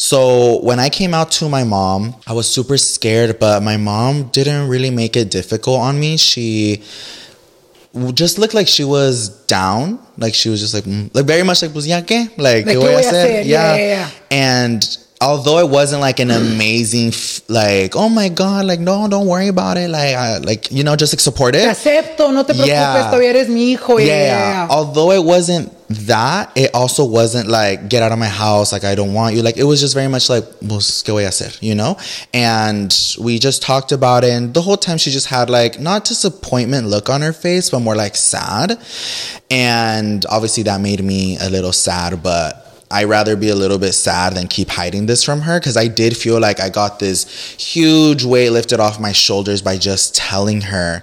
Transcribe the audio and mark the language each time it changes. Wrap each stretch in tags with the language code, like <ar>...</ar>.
<en>So when I came out to my mom, I was super scared, but my mom didn't really make it difficult on me. She just looked like she was down. Like, she was just like, like very much like,</en> <es>pues ya que,</es> <en>like the way I said. Yeah. And although it wasn't like an amazing, like, oh my God, like, no, don't worry about it. Like, you know, just like support it.</en> <es>Te acepto, no te preocupes, todavía eres mi hijo.</es> <en>Yeah. Although it wasn't that, it also wasn't like, get out of my house, like, I don't want you. Like, it was just very much like,</en> <es>pues, ¿qué voy a hacer?</es> <en>You know? And we just talked about it. And the whole time she just had like, not disappointment look on her face, but more like sad. And obviously that made me a little sad, but I'd rather be a little bit sad than keep hiding this from her, because I did feel like I got this huge weight lifted off my shoulders by just telling her.</en>